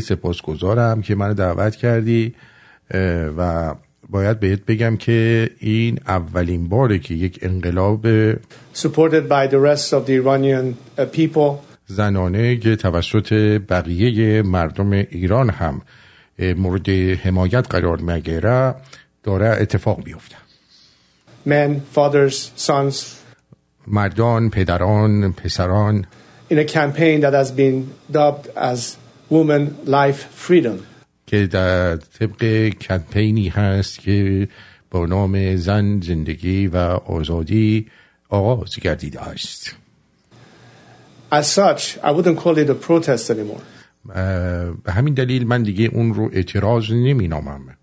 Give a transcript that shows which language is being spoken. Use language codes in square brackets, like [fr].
[fa] سپاسگزارم که منو دعوت کردی و باید بهت بگم که این اولین باره که یک انقلاب [en] supported by the rest of the Iranian people [fa] زنانه که توسط بقیه مردم ایران هم مورد حمایت قرار میگیره داره اتفاق میفته. [en] Men, fathers, sons [fa] مردان، پدران، پسران [en] in a campaign that has been dubbed as woman life freedom [fa] که در طبق کمپینی هست که با نام زن زندگی و آزادی آغاز گردیده است. [en] As such I wouldn't call it a protest anymore. [fa] به همین دلیل من دیگه اون رو اعتراض نمی نامم.